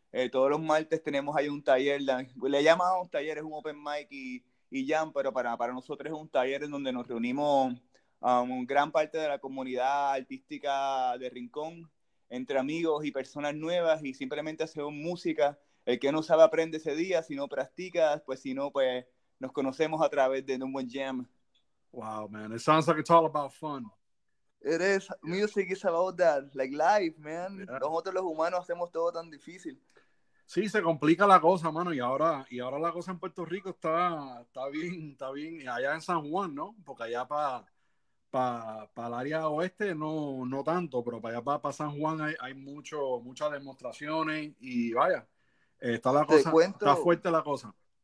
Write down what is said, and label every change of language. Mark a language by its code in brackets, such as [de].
[es] Todos los martes tenemos ahí un taller, le llamamos taller, es un open mic y jam, pero para nosotros es un taller en donde nos reunimos gran parte de la comunidad artística de Rincón, entre amigos y personas nuevas, y simplemente hacemos música. El que no sabe aprende ese día, si no practicas, pues si no, pues nos conocemos a través de un buen jam. [en] Wow, man, it sounds like it's all about fun. It is. Music is about that, like life, man. Yeah. [es] Nosotros los humanos hacemos todo tan difícil. Sí, se complica la cosa, mano, y ahora la cosa en Puerto Rico está bien, allá en San Juan, ¿no? Porque allá para el área oeste no tanto, pero para allá para San Juan hay muchas demostraciones y vaya, está la cosa, está fuerte la cosa.